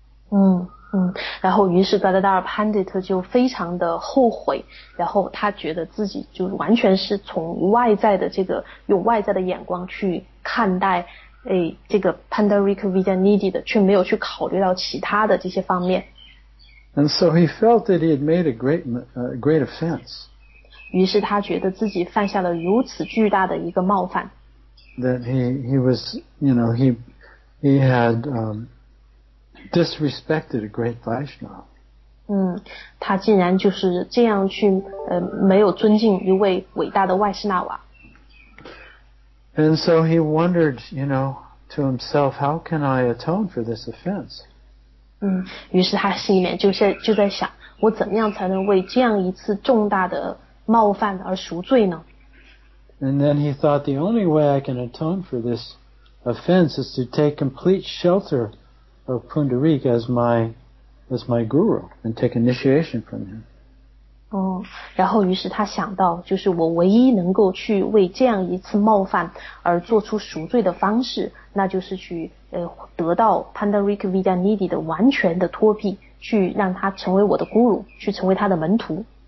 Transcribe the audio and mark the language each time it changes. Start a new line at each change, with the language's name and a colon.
Chinese: 嗯，然后于是 Gadadhar Pandit 就非常的后悔，然后他觉得自己就完全是从外在的这个用外在的眼光去看待这个 Pundarik Vidyaniti 的，却没有去考虑到其他的这些方面。
English: And so he felt that he had made a great offense.
Chinese: 于是他觉得自己犯下了如此巨大的一个冒犯。
English: That he was, you know, he had disrespected a great Vaishnava.
Chinese: 他竟然就是这样去没有尊敬一位伟大的 Vaishnava.
English: And so he wondered, you know, to himself, how can I atone for this offense?
Chinese: 于是他心里面就在想，我怎么样才能为这样一次重大的冒犯而赎罪呢？
English: And then he thought, the only way I can atone for this offense is to take complete shelter of Pundarik as my guru and take initiation from him.
Chinese: 然后于是他想到，就是我唯一能够去为这样一次冒犯而做出赎罪的方式，那就是去得到 Pundarik Vidyaniti 的完全的脱皮，去让他成为我的 guru， 去成为他的门徒。